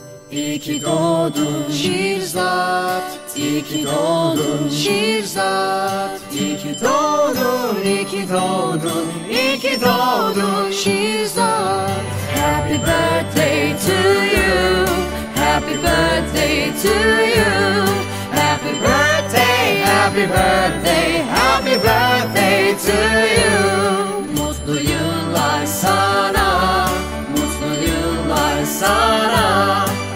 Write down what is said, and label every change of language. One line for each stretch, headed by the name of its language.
Turkish: İyi ki doğdun Şirzat, İyi ki doğdun Şirzat, İyi ki doğdun, İyi ki doğdun, İyi ki doğdun Şirzat.
English: Happy birthday to you, happy birthday to you, happy birthday, happy birthday, happy birthday to you.
Turkish: Mutlu yıllar sana, mutlu yıllar sana.